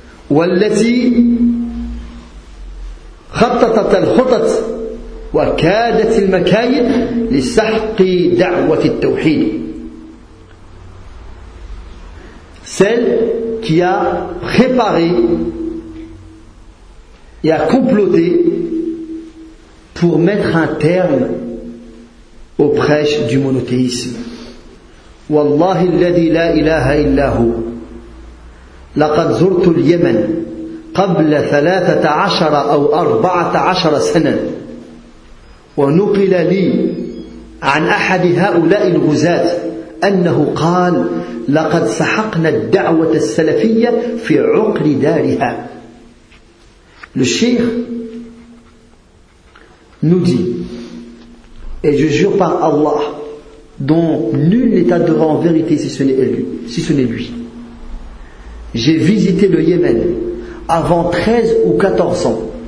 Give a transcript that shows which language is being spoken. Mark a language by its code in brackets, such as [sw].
[ar] وَالَّتِي خَطَّطَتَ الْخُطَطْ وَكَادَتِ الْمَكَايِدْ لِسَحْقِ دَعْوَةِ التَّوْحِيدِ. [fr] Celle qui a préparé et a comploté pour mettre un terme au prêche du monothéisme. [ar] والله الذي لا إله إلا هو لقد زرت اليمن قبل 13 أو 14 سنة ونقل لي عن أحد هؤلاء الغزاة أنه قال لقد سحقنا الدعوة السلفية في عقل دارها. [fr] الشيخ nous dit, et je jure par Allah, dont nul n'est adoré en vérité si ce n'est lui. J'ai visité le Yémen avant 13 ou 14 ans.